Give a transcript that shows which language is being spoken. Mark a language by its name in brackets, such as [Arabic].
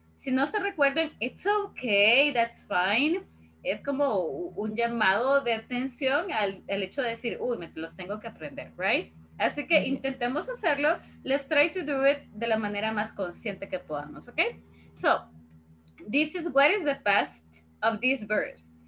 [Spanish] Si no se recuerdan, [English] it's okay, that's fine. [Spanish] Es como un llamado de atención al hecho de decir, uy, me los tengo que aprender, right? Así que intentemos hacerlo. [English] Let's try to do it [Spanish] de la manera más consciente que podamos, ¿ok? [English] So, this is what is the past of these verbs.